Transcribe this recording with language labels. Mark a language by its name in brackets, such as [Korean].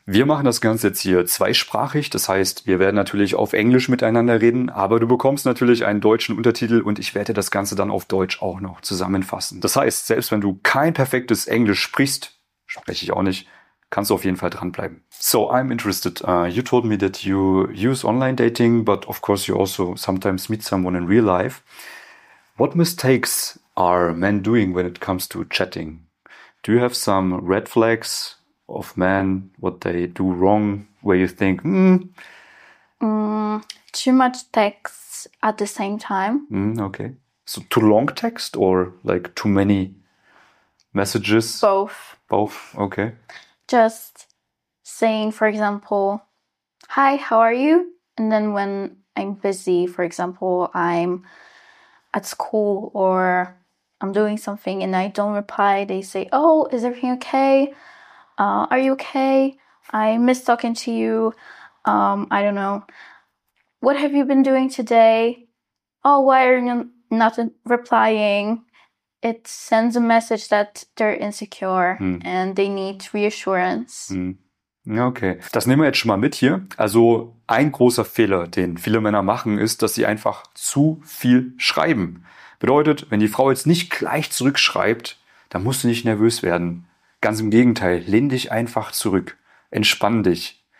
[German] Wir machen das Ganze jetzt hier zweisprachig, das heißt, wir werden natürlich auf Englisch miteinander reden, aber du bekommst natürlich einen deutschen Untertitel und ich werde das Ganze dann auf Deutsch auch noch zusammenfassen. Das heißt, selbst wenn du kein perfektes Englisch sprichst, spreche ich auch nicht, kannst du auf jeden Fall dranbleiben. [English] So, I'm interested. You told me that you use online dating, but of course you also sometimes meet someone in real life. What mistakes are men doing when it comes to chatting? Do you have some red flags of men, what they do wrong, where you think, Too much text at the same time. Okay. So too long text or like too many messages? Both. Both, okay. Just saying, for example, hi, how are you? And then when I'm busy, for example, I'm at school or I'm doing something and I don't reply, they say, oh, is everything okay? Are you okay? I miss talking to you. I don't know. What have you been doing today? Oh, why are you not replying? It sends a message that they're insecure and they need reassurance. [German] Okay, das nehmen wir jetzt schon mal mit hier. Also ein großer Fehler, den viele Männer machen, ist, dass sie einfach zu viel schreiben. Bedeutet, wenn die Frau jetzt nicht gleich zurückschreibt, dann musst du nicht nervös werden. Ganz im Gegenteil, lehn dich einfach zurück. Entspann dich.